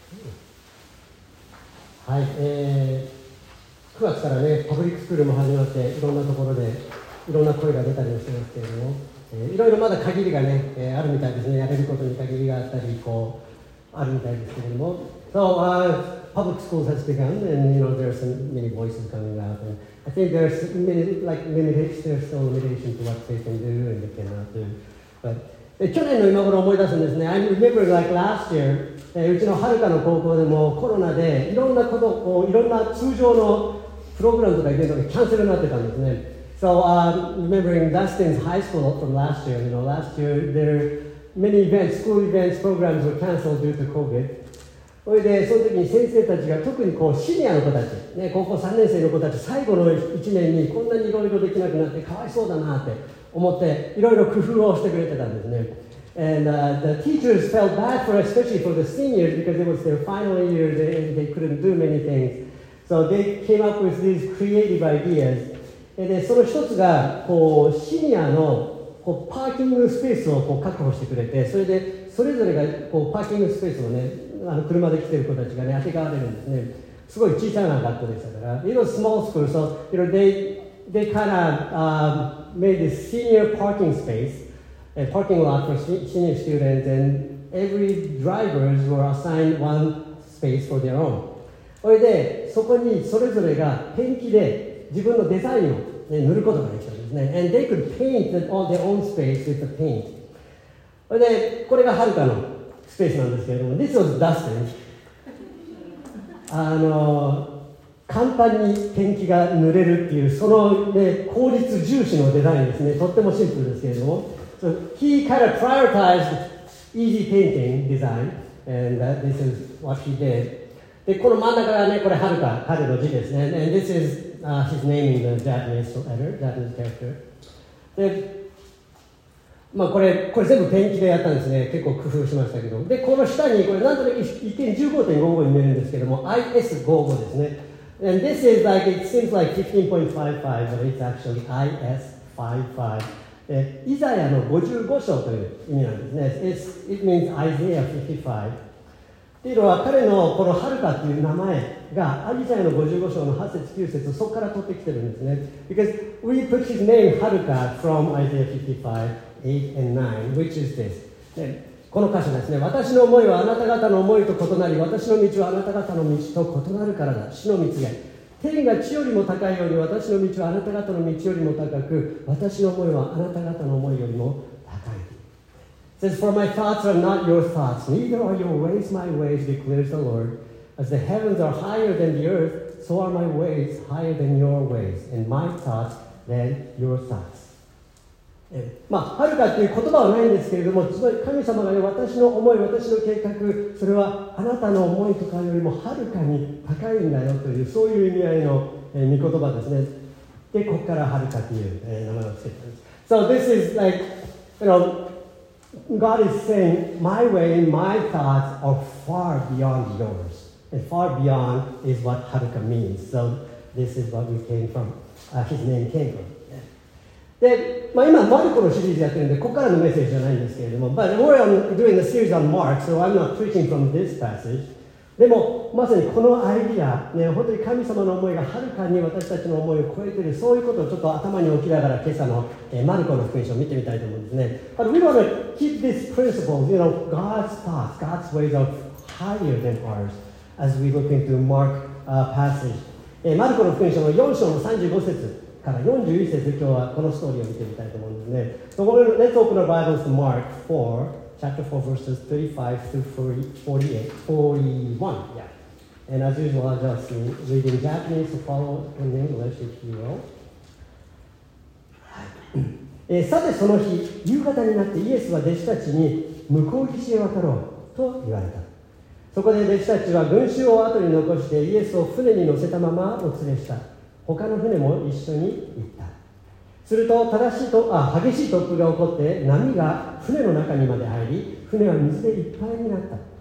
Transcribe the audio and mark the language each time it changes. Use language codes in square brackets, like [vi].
[ja] はい、9月からね、パブリックスクールも始まって、いろんなところでいろんな声が出たりもしてますけれども、いろいろまだ限りがね、あるみたいですね。やれることに限りがあったり、こう、あるみたいですけれども。 [en] So, public schools has begun, and you know, there's many voices coming out. And I think there's many, like, limitations, there's still limitations to what they can do and they cannot do. [ja] But, 去年の今頃思い出すんですね。 [en] I remember, like, last year, [ja] うちのはるかの高校でもコロナでいろんなこと、こういろんな通常のプログラムとかイベントがキャンセルになってたんですね。 [en] So, remembering Dustin's high school from last year, you know, last year there are many events, school events, programs were canceled due to COVID. [ja] それで、その時に先生たちが特にこうシニアの子たち、ね、高校3年生の子たち、最後の1年にこんなにいろいろできなくなってかわいそうだなって思っていろいろ工夫をしてくれてたんですね。 [en] And the teachers felt bad for, especially for the seniors, because it was their final year, they couldn't do many things. So they came up with these creative ideas. [ja] And その一つが、こう、シニアの、こう、パーキングスペースをこう確保してくれて、それで、それぞれが、こう、パーキングスペースをね、あの車で来てる子たちがね、当てがわれるんですね。すごい小さな学校でしたから。 [en] It was small school, so, you know, they kind of, made this senior parking space. A parking lot for senior students, and every drivers were assigned one space for their own. [ja] それで、そこにそれぞれがペンキで自分のデザインを、ね、塗ることができたんですね。 [en] And they could paint all their own space with the paint. [ja] それで、これがはるかのスペースなんですけれども、 [en] This was Dustin. [ja] あの、簡単にペンキが塗れるっていう、その、ね、効率重視のデザインですね。とってもシンプルですけれども。 [en] So he kind of prioritized easy painting design, and this is what he did. [ja] で、この真ん中がね、これはるか、彼の字ですね。 [en] And this is his name in the Japanese letter, Japanese character. [ja] で、まあこれ全部ペンキでやったんですね。結構工夫しましたけど。で、この下にこれなんとなく一見 15.55 に見えるんですけども、IS55 ですね。 [en] And this is like, it seems like 15.55, but it's actually IS55. [ja] イザヤの55章という意味なんですね。 [en] It means Isaiah 55. [ja] というのは彼のこのハルカという名前がイザヤの55章の8節9節をそこから取ってきてるんですね。 [en] Because we put his name Haruka from Isaiah 55, 8 and 9, which is this. [ja] この箇所ですね。私の思いはあなた方の思いと異なり、私の道はあなた方の道と異なるからだ。主の道が。天が地よりも高いように、私の道はあなた方の道よりも高く、私の思いはあなた方の思いよりも高い。 [en] It says, For my thoughts are not your thoughts, neither are your ways my ways, declares the Lord. As the heavens are higher than the earth, so are my ways higher than your ways, and my thoughts than your thoughts. [ja] まあ、はるかっていう言葉はないんですけれども、つまり神様がね、私の思い、私の計画、それはあなたの思いとかよりもはるかに高いんだよという、そういう意味合いの御言葉ですね。で、ここからはるかという名前をつけたんです。 [en] So this is like, you know, God is saying, my way, my thoughts are far beyond yours. And far beyond is what はるか means. So this is what we came from. His name came from. [ja] で、まあ、今、マルコのシリーズやってるんで、ここからのメッセージじゃないんですけれども、 [en] But we're doing a series on Mark, so I'm not preaching from this passage. [ja] でも、まさにこのアイディア、ね、本当に神様の思いがはるかに私たちの思いを超えている、そういうことをちょっと頭に置きながら、今朝のマルコの福音書を見てみたいと思うんですね。 [en] But we want to keep this principle, you know, God's thoughts, God's ways are higher than ours, as we look into Mark passage. [ja] マルコの福音書の4章の35節。から41節で今日はこのストーリーを見てみたいと思うんですね。 [en] So, let's open our Bibles to Mark 4, chapter 4, verses 35 through 48, 41. Yeah. And as usual, I'll just read in Japanese to follow in English, if you will. [ja] さてその日、夕方になってイエスは弟子たちに向こう岸へ渡ろうと言われた。そこで弟子たちは群衆を後に残してイエスを船に乗せたままお連れした。他の船も一緒に行った。すると激しい突風が起こって波が船の中にまで入り、船は水でいっぱいになった。